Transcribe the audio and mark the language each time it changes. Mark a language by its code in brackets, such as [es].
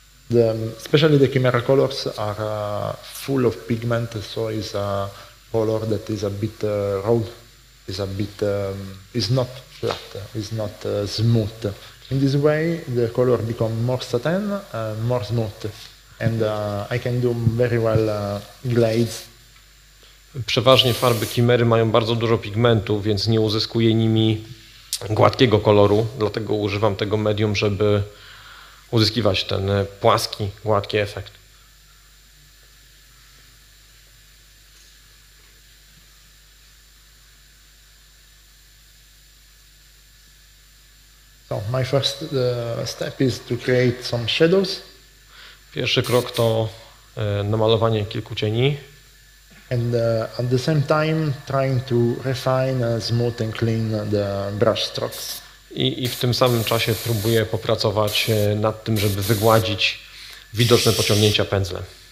[en] The, especially the chimera colors are full of pigment, so it's a color that is a bit round, is a bit is not flat, is not smooth. In this way the color become more satin, more smooth. And I can do very well glaze. [pl] Przeważnie farby chimery mają bardzo dużo pigmentu, więc nie uzyskuję nimi gładkiego koloru, dlatego używam tego medium, żeby uzyskiwać ten płaski, gładki efekt. [en] So my first step is to create some shadows. [pl] Pierwszy krok to namalowanie kilku cieni. [en] And at the same time trying to refine, smooth and clean the brush strokes. [pl] I w tym samym czasie próbuję popracować nad tym, żeby wygładzić widoczne pociągnięcia pędzlem.